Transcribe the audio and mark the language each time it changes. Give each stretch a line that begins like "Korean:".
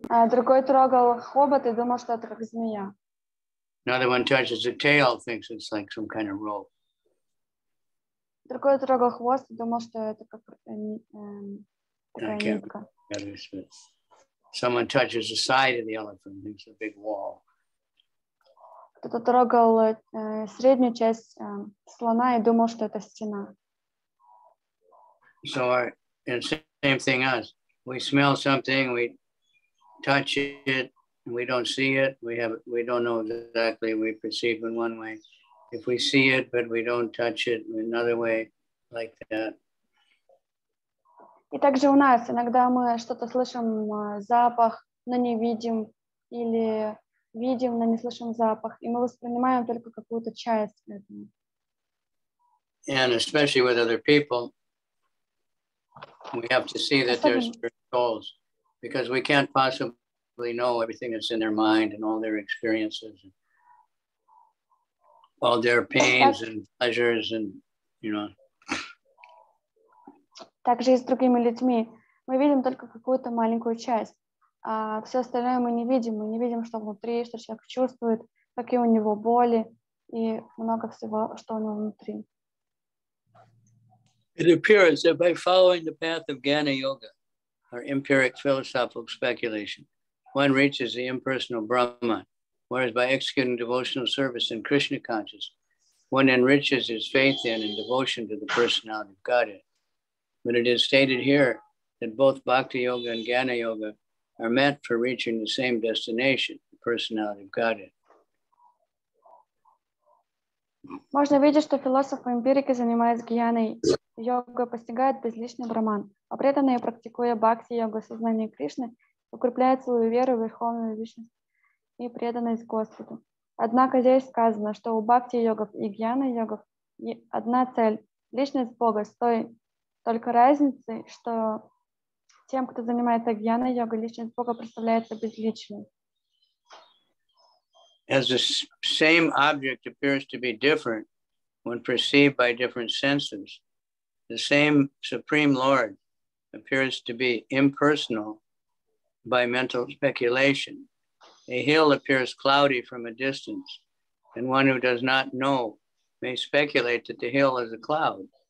Russian: Другой трогал хобот и думал, что это как змея.
English: Another one touches the tail, thinks it's like some kind of rope.
Russian: Другой трогал хвост и думал, что это как нитка.
English: Someone touches the side of the elephant, thinks a big wall.
Russian: Кто-то трогал среднюю часть слона и думал, что это стена.
English: So our, and same thing us. We smell something, we touch it, and we don't see it. We don't know exactly. We perceive in one way. If we see it, but we don't touch it, in another way, like that.
Russian: И также у нас иногда мы что-то слышим запах, но не видим, или видим, но не слышим запах, и мы воспринимаем только какую-то часть этого.
English: And especially with other people, we have to see that there's spiritual souls, because we can't possibly know everything that's in their mind and all their experiences, and all their pains and pleasures, and you know.
Russian: Также и с другими людьми. Мы видим только какую-то маленькую часть. А все остальное мы не видим. Мы не видим, что внутри, что человек чувствует, какие у него боли и много всего, что у него внутри.
English: It appears that by following the path of Jnana Yoga, or empiric philosophical speculation, one reaches the impersonal Brahman, whereas by executing devotional service in Krishna consciousness, one enriches his faith in and devotion to the personality of Godhead. But it is stated here that both Bhakti Yoga and Jnana Yoga are meant for reaching the same destination, the personality of Godhead.
Russian: Можно видеть, что философы эмпирики, занимаясь гьяной йогой, постигают безличный Брахман, а преданные, практикуя Бхакти Йогу, сознание Кришны, укрепляют свою веру в Верховную Личность и преданность Господу. Однако здесь сказано, что у Бхакти Йогов и Гьяны Йогов одна цель — Личность Бога, стоя только разницы, что тем, кто занимается гьяной йогой, личность Бога представляется безличной.
English: As the same object appears to be different when perceived by different senses, the same Supreme Lord appears to be impersonal by mental speculation. A hill appears cloudy from a distance, and one who does not know may speculate that the hill is a cloud.